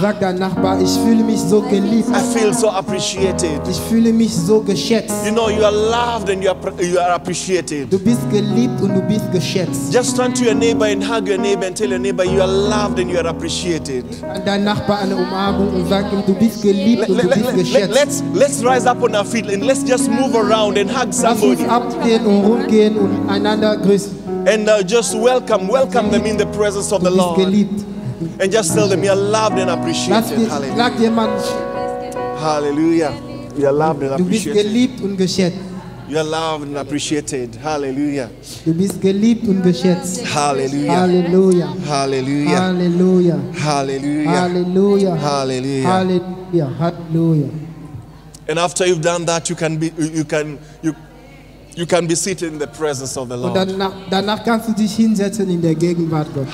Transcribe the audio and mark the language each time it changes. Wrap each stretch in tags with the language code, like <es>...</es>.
<de>Sag deinem Nachbar, ich fühle mich so geliebt.</de> <en>I feel so appreciated.</en> <de>Ich fühle mich so geschätzt.</de> <en>You know, you are loved and you are appreciated.</en> <de>Du bist geliebt und du bist geschätzt.</de> <en>Just turn to your neighbor and hug your neighbor and tell your neighbor, you are loved and you are appreciated.</en> <de>Dein Nachbar eine Umarmung und sag ihm, du bist geliebt und du bist geschätzt.</de> <en>Let's rise up on our feet and let's just move around and hug somebody.</en> <de>Lass uns abgehen und rumgehen und einander grüßen.</de> <en>And just welcome them in the presence of the Lord.</en> <de>Du bist geliebt.</de> <en>And just tell them you're loved and appreciated. Hallelujah. Hallelujah. You're loved and appreciated.</en> <de>Du bist geliebt und geschätzt.</de> <en>You're loved and appreciated. Hallelujah.</en> <de>Du bist geliebt und geschätzt. Hallelujah. Hallelujah. Hallelujah. Hallelujah. Hallelujah. Hallelujah. Hallelujah. Hallelujah. Hallelujah.</de> <en>And after you've done that, you can be seated in the presence of the Lord.</en> <de>Und danach kannst du dich hinsetzen in der Gegenwart Gottes.</de>